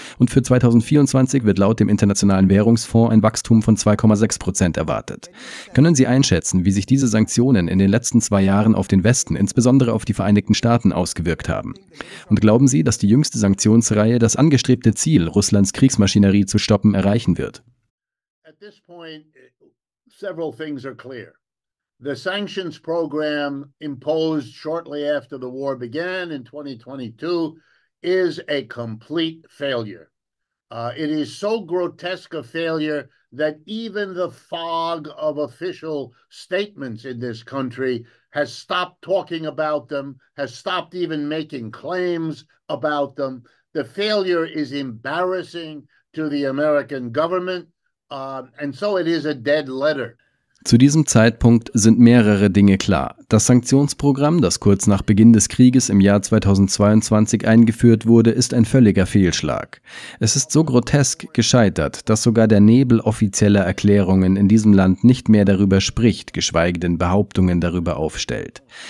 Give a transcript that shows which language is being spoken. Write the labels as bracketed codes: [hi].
[de] Und für 2024 wird laut dem Internationalen Währungsfonds ein Wachstum von 2,6% erwartet. Können Sie einschätzen, wie sich diese Sanktionen in den letzten zwei Jahren auf den Westen, insbesondere auf die Vereinigten Staaten, ausgewirkt haben? Und glauben Sie, dass die jüngste Sanktionsreihe das angestrebte Ziel, Russlands Kriegsmaschinerie zu stoppen, erreichen wird? [en] At this point, several things are clear. The sanctions program imposed shortly after the war began in 2022 is a complete failure. It is so grotesque a failure that even the fog of official statements in this country has stopped talking about them, has stopped even making claims about them. The failure is embarrassing to the American government, and so it is a dead letter. [de] Zu diesem Zeitpunkt sind mehrere Dinge klar. Das Sanktionsprogramm, das kurz nach Beginn des Krieges im Jahr 2022 eingeführt wurde, ist ein völliger Fehlschlag. Es ist so grotesk gescheitert, dass sogar der Nebel offizieller Erklärungen in diesem Land nicht mehr darüber spricht, geschweige denn Behauptungen darüber aufstellt.